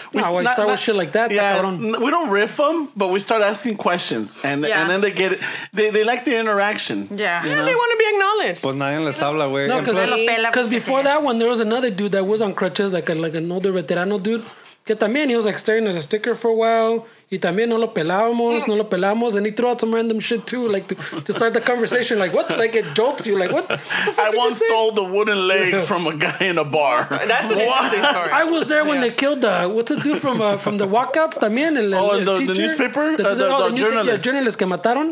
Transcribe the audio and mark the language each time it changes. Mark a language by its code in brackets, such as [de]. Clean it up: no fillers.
[en] With shit like that. Yeah, we don't riff them, but we start asking questions. And and then they get it. They like the interaction. Yeah. You know? They want to be acknowledged. [es] Pues nadie les habla, güey. [en] No, because before that one, there was another dude that was on crutches, like an older veterano dude. [es] Que también, [en] he was like staring at a sticker for a while. [es] Y también no lo pelábamos, no lo pelábamos. [en] And he threw out some random shit too, like to start the conversation. Like, what? Like, it jolts you. Like, what? I once stole the wooden leg from a guy in a bar. That's an interesting story. I was there when they killed the, what's it do from the walkouts? [es] También, el teacher. Oh, [en] the newspaper? The journalist. The journalist [es] que mataron.